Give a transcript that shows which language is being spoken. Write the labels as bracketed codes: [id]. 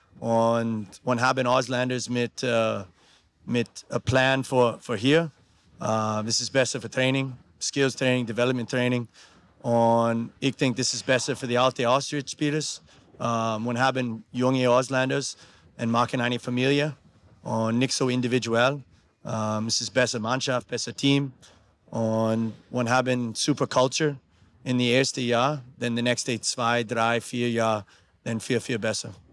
[de] Und haben Auslanders mit [en] a plan for here. This is better for training, skills training, development training. [de] Und ich denke, [en] this is better for the alte Austria-Spielers. [de] Und haben junge Auslanders und machen eine Familie und nicht so individuell. [en] This is [de] besser Mannschaft, besser Team. Und haben super Culture in the erste Jahr, dann [en] the next day [de] 2, 3, 4 Jahr, dann 4 besser.